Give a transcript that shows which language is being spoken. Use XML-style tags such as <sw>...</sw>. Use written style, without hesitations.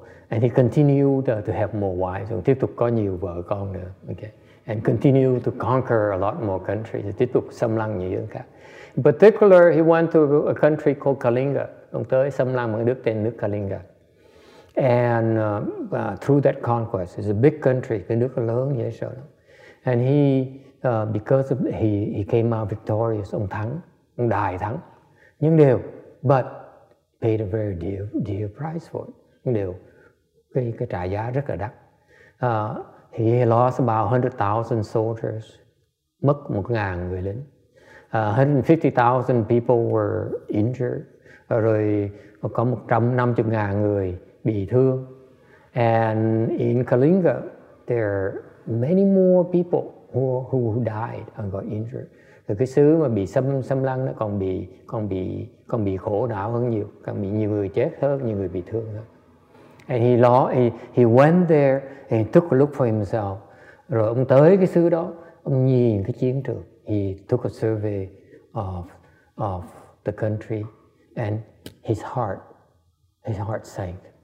<en>And he continued to have more wives.</en> <vi>Ông tiếp tục có nhiều vợ con nữa.</vi> <en>Okay. And continued to conquer a lot more countries.</en> <vi>Tiếp tục xâm lăng nhiều hơn khác.</vi> <en>In particular, he went to a country called Kalinga.</en> <vi>Ông tới xâm lăng một nước tên nước Kalinga.</vi> <en>And through that conquest, it's a big country,</en> <vi>cái nước lớn như thế nào.</vi> <en>And he, because of, he came out victorious,</en> <vi>ông thắng, ông đại thắng. Nhưng điều,</vi> <en>but paid a very dear price for it.</en> <vi>Nhưng điều, cái trả giá rất là đắt.</vi> <en>He lost about 100,000 soldiers,</en> <vi>mất 1,000 người lính.</vi> <en>150,000 people were injured.</en> <vi>Rồi có 150,000 người bị thương.</vi> <en>And in Kalinga, there are many more people who died and got injured.</en> <vi>Thì cái xứ mà bị xâm lăng nó còn bị khổ não hơn nhiều, còn bị nhiều người chết hơn, nhiều người bị thương hơn.</vi> <en>And he went there and he took a look for himself.</en> <vi>Rồi ông tới cái xứ đó, ông nhìn cái chiến trường.</vi> <en>He took a survey of the country, and his heart sank.</en>